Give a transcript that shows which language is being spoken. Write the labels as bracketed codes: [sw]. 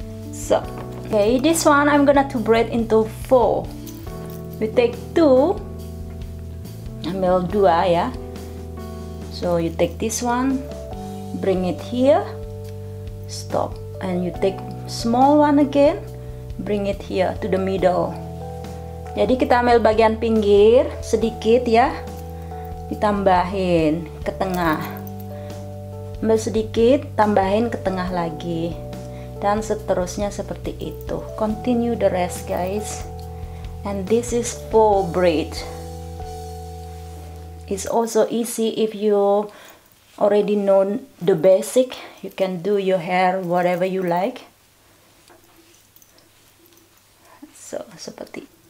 [en] So, okay, this one I'm gonna to braid into 4. We take 2. [id] Ambil 2, [en] yeah. So you take this one, bring it here, stop, and you take small one again, bring it here to the middle. [id] Jadi kita ambil bagian pinggir sedikit ya, ditambahin ke tengah, ambil sedikit, tambahin ke tengah lagi, dan seterusnya seperti itu. [en] Continue the rest, guys. And this is 4 braids. It's also easy if you already know the basic, you can do your hair whatever you like. [id] So, seperti.